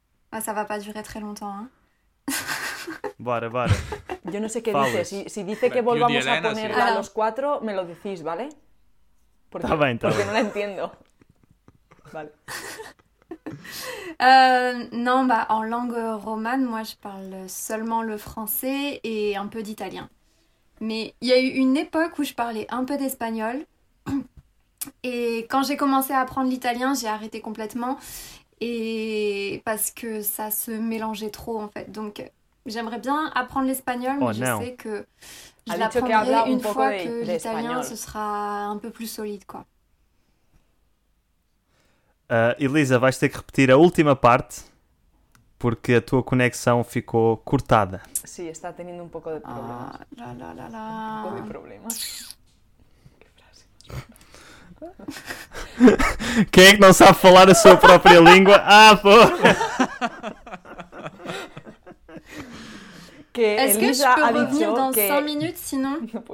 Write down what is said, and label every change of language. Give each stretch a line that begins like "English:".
French: Ah, ça va pas durer très longtemps, hein.
Portuguese: Bora.
Spanish: Yo no sé qué dice. Si dice que volvamos a ponerla a los cuatro, me lo decís, ¿vale? Porque no la entiendo. Vale.
French: Non, bah, en langue romane, moi je parle seulement le français et un peu d'italien. Mais il y a eu une époque où je parlais un peu d'espagnol. Et quand j'ai commencé à apprendre l'italien, j'ai arrêté complètement. Et parce que ça se mélangeait trop, en fait. Donc... J'aimerais bien apprendre l'espagnol, mais je sais que je l'apprendrai une fois que l'italien, ce sera un peu plus solide, quoi.
Portuguese: Elisa, vais ter que repetir a última parte porque a tua conexão ficou cortada. Sim, sí, está tendo um pouco de problemas. Ah, la, la, la, la. Um pouco de problemas. Quem é que não sabe falar a sua própria língua? Ah, pô!
French: Est-ce que je peux revenir dans 5 minutes sinon?